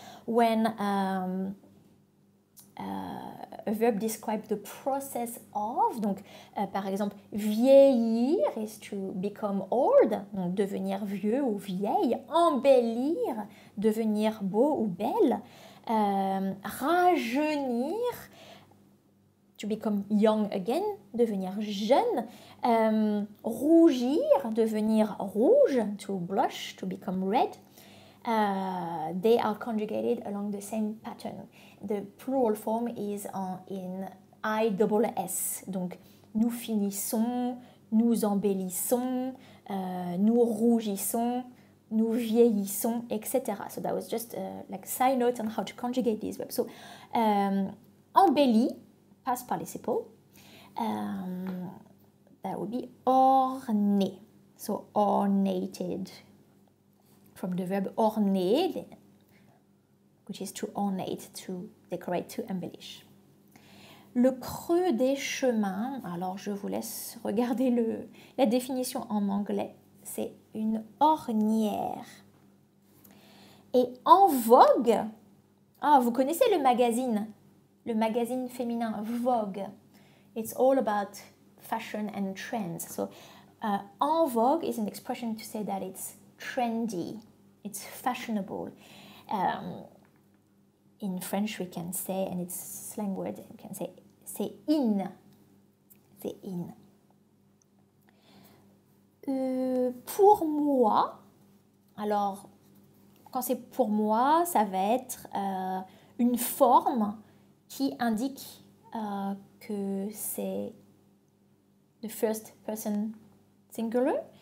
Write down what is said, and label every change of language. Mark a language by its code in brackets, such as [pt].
[en] When a verb describes the process of, [fr] donc par exemple, vieillir [en] is to become old, [fr] donc devenir vieux ou vieille, embellir, devenir beau ou belle, rajeunir, [en] to become young again, [fr] devenir jeune, rougir, devenir rouge, [en] to blush, to become red. They are conjugated along the same pattern. The plural form is in IWS. [fr] Donc, nous finissons, nous embellissons, nous rougissons, nous vieillissons, etc. [en] So that was just like side note on how to conjugate these verbs. So, embelli, past participle, that would be orné. So, ornated. From the verb orner, which is to ornate, to decorate, to embellish. [fr] Le creux des chemins, alors je vous laisse regarder la définition en anglais, c'est une ornière. Et en vogue, vous connaissez le magazine féminin Vogue. [en] It's all about fashion and trends. So, en vogue is an expression to say that it's trendy. It's fashionable. In French, we can say, and it's slang word, we can say, [fr] c'est in. C'est in. Pour moi, alors, quand c'est pour moi, ça va être une forme qui indique que c'est [en] the first person singular.